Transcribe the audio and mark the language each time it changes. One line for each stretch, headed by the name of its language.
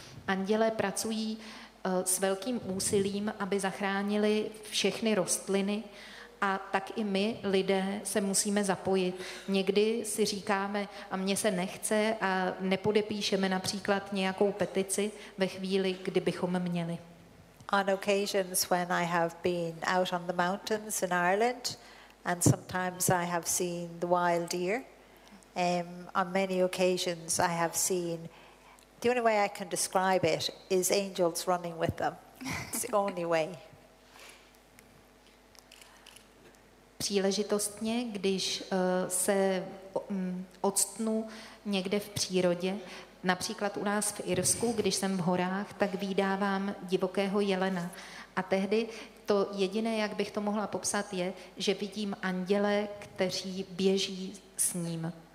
Czech: Andělé pracují s velkým úsilím, aby zachránili všechny rostliny, a tak i my lidé se musíme zapojit. Někdy si říkáme, a mně se nechce, a nepodepíšeme například nějakou petici ve chvíli, kdybychom měli.
English: On occasions when I have been out on the mountains in Ireland, and sometimes I have seen the wild deer, on many occasions I have seen, the only way I can describe it is angels running with them. It's the only way.
Czech: Příležitostně, když se octnu někde v přírodě, například u nás v Irsku, když jsem v horách, tak vídávám divokého jelena. A tehdy to jediné, jak bych to mohla popsat, je, že vidím anděle, kteří běží s ním.